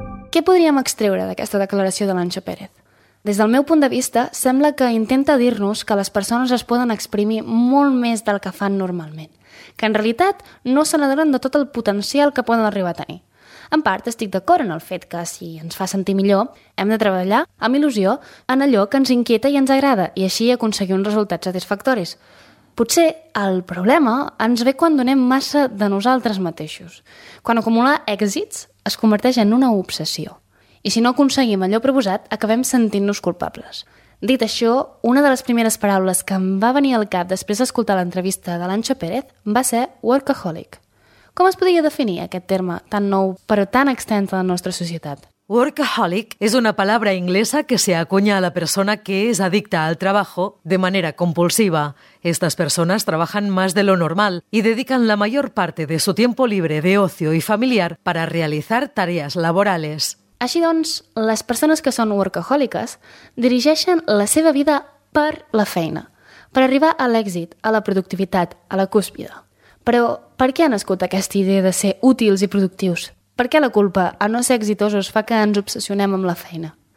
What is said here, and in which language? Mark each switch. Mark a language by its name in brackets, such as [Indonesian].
[Spanish] ¿Qué podríamos extraer de esta declaración de Ancho Pérez? [Catalan] Des del meu punt de vista, sembla que intenta dir-nos que les persones es poden exprimir molt més del que fan normalment, que en realitat no se n'adonen de tot el potencial que poden arribar a tenir. En part, estic d'acord en el fet que, si ens fa sentir millor, hem de treballar amb il·lusió en allò que ens inquieta i ens agrada, i així aconseguir uns resultats satisfactoris. Potser el problema ens ve quan donem massa de nosaltres mateixos, quan acumular èxits es converteix en una obsessió. I si no aconseguim allò proposat, acabem sentint-nos culpables. Dit això, una de les primeres paraules que em va venir al cap després d'escoltar l'entrevista de l'Ancho Pérez va ser workaholic. Com es podia definir aquest terme tan nou però tan extens a la nostra societat? [Spanish] Workaholic es una palabra inglesa que se acuña a la persona que es adicta al trabajo de manera compulsiva. Estas personas trabajan más de lo normal y dedican la mayor parte de su tiempo libre de ocio y familiar para realizar tareas laborales. [Catalan] Així doncs, les persones que són workahòliques dirigeixen la seva vida per la feina, per arribar a l'èxit, a la productivitat, a la cúspide. Però per què ha nascut aquesta idea de ser útils i productius? Per què la culpa a no ser exitosos fa que ens obsessionem amb la feina?